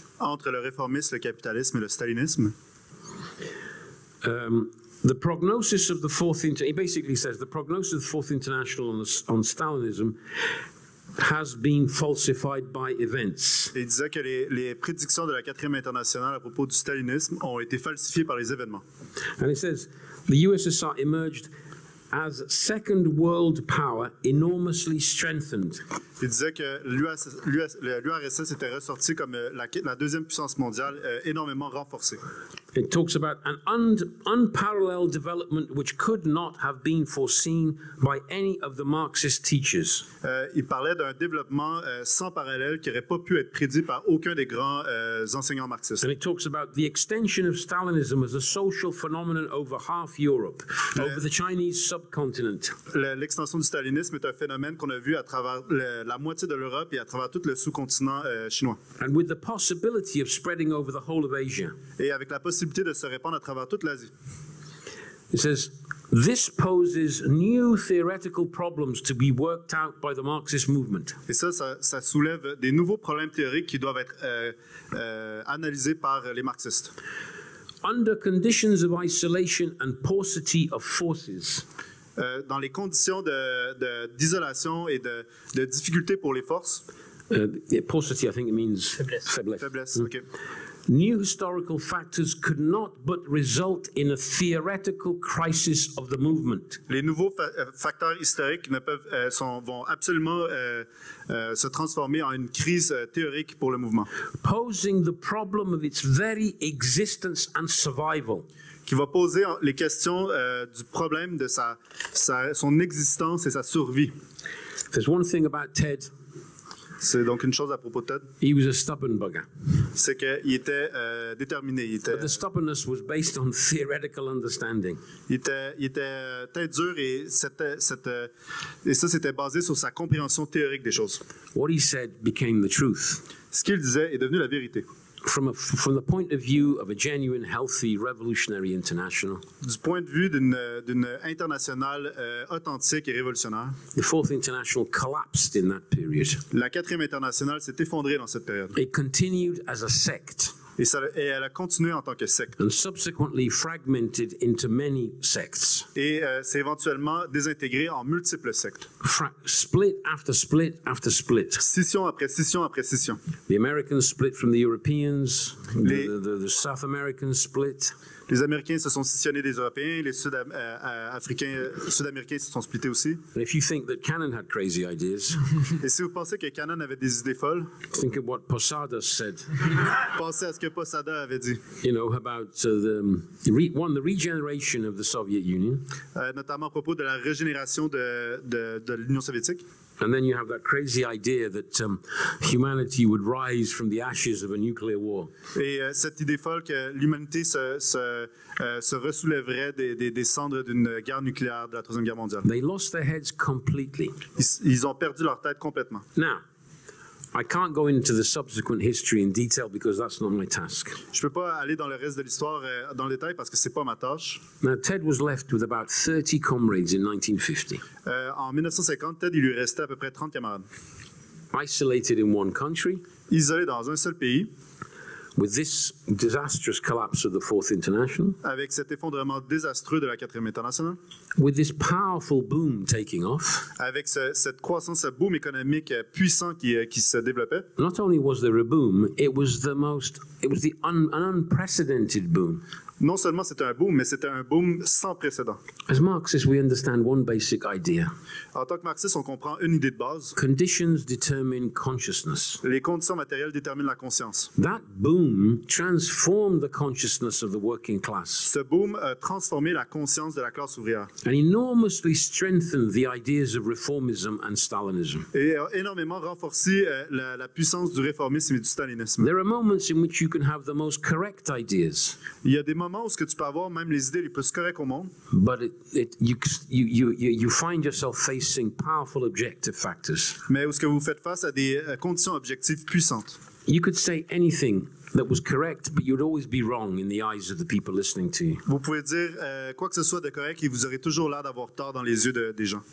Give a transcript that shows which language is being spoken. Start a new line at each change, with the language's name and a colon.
French: Entre le réformisme, le capitalisme et le stalinisme.
English: The prognosis of the Fourth International, he basically says, the prognosis of the Fourth International on Stalinism has been falsified by events.
French: Il disait que les prédictions de la Quatrième Internationale à propos du stalinisme ont été falsifiées par les événements.
English: And he says, the USSR emerged as second world power enormously strengthened.
French: Il disait que l'URSS était ressorti comme la deuxième puissance mondiale énormément renforcée.
English: It talks about an unparalleled development which could not have been foreseen by any of the Marxist teachers.
French: Il parlait d'un développement sans parallèle qui n'aurait pas pu être prédit par aucun des grands enseignants marxistes.
English: And it talks about the extension of Stalinism as a social phenomenon over half Europe, over the Chinese subcontinent.
French: L'extension du stalinisme est un phénomène qu'on a vu à travers la moitié de l'Europe et à travers tout le sous-continent chinois.
English: And with the possibility of spreading over the whole of Asia.
French: Et avec la possibilité de se répandre à travers toute l'Asie.
English: It says, this poses new theoretical problems to be worked out by the Marxist movement.
French: Et ça soulève des nouveaux problèmes théoriques qui doivent être analysés par les marxistes.
English: Under conditions of isolation and paucity of forces.
French: Dans les conditions d'isolation et de difficulté pour les forces.
English: Paucity, I think it means
French: faiblesse. Faiblesse, okay.
English: New historical factors could not but result in a theoretical crisis of the movement.
French: Les nouveaux facteurs historiques ne peuvent vont absolument se transformer en une crise théorique pour le mouvement.
English: Posing the problem of its very existence and survival.
French: Qui va poser les questions du problème de son existence et sa survie.
English: There's one thing about Ted.
French: C'est donc une chose à propos de Ted.
English: He was a stubborn bugger.
French: C'est qu'il était déterminé. Il était,
English: but the stubbornness was based on theoretical understanding.
French: Il était tête dure et c'était basé sur sa compréhension théorique des choses.
English: What he said became the truth.
French: Ce qu'il disait est devenu la vérité.
English: From the point of view of a genuine, healthy, revolutionary international.
French: Du point de vue d'une internationale authentique et révolutionnaire.
English: The fourth international collapsed in that period.
French: La quatrième internationale s'est effondrée dans cette période.
English: It continued as a sect.
French: Et elle a continué en tant que secte.
English: And subsequently fragmented into many sects.
French: Et s'est éventuellement désintégrée en multiples sectes.
English: Split after split after split.
French: Scission après scission après scission.
English: The Americans split from the Europeans. The South Americans split.
French: Les Américains se sont scissionnés des Européens. Les Sud-Américains se sont splittés aussi.
English: And if you think that Cannon had crazy ideas,
French: et si vous pensez que Cannon avait des idées folles,
English: think of what Posada said.
French: Pensez à ce que Posada avait dit.
English: You know, about the regeneration of the Soviet Union.
French: Notamment à propos de la régénération de l'Union soviétique.
English: And then you have that crazy idea that humanity would rise from the ashes of a nuclear war.
French: Et cette idée folle que l'humanité se ressoulèverait des cendres d'une guerre nucléaire de la Troisième Guerre mondiale.
English: They lost their heads completely.
French: Ils ont perdu leur tête complètement.
English: Now, I can't go into the subsequent history in detail because that's not my task.
French: Je peux pas aller dans le reste de l'histoire dans le détail parce que c'est pas ma tâche.
English: Now, Ted was left with about 30 comrades in 1950.
French: En 1950, Ted, il lui restait à peu près 30 camarades.
English: Isolated in one country.
French: Isolé dans un seul pays.
English: With this disastrous collapse of the Fourth International.
French: Avec cet effondrement désastreux de la Quatrième Internationale.
English: With this powerful boom taking off.
French: Avec cette croissance, ce boom économique puissant qui se développait.
English: Not only was there a boom, it was an unprecedented boom.
French: Non seulement c'était un boom, mais c'était un boom sans précédent.
English: As Marxists, we understand one basic idea.
French: En tant que marxiste, on comprend une idée de base.
English: Conditions determine consciousness.
French: Les conditions matérielles déterminent la conscience.
English: That boom transformed the consciousness of the working class.
French: Ce boom a transformé la conscience de la classe ouvrière.
English: And enormously strengthened the ideas of reformism and Stalinism.
French: Et a énormément renforcé la puissance du réformisme et du stalinisme.
English: There are moments in which you can have the most correct ideas.
French: Il y a des moments où ce que tu peux avoir même les idées les plus correctes au monde.
English: But you find yourself facing powerful objective factors.
French: Mais où est-ce que vous faites face à des conditions objectives puissantes?
English: You could say anything that was correct, but you'd always be wrong in the eyes of the people listening to you.
French: Vous pouvez dire quoi que ce soit de correct et vous aurez toujours l'air d'avoir tort dans les yeux des gens.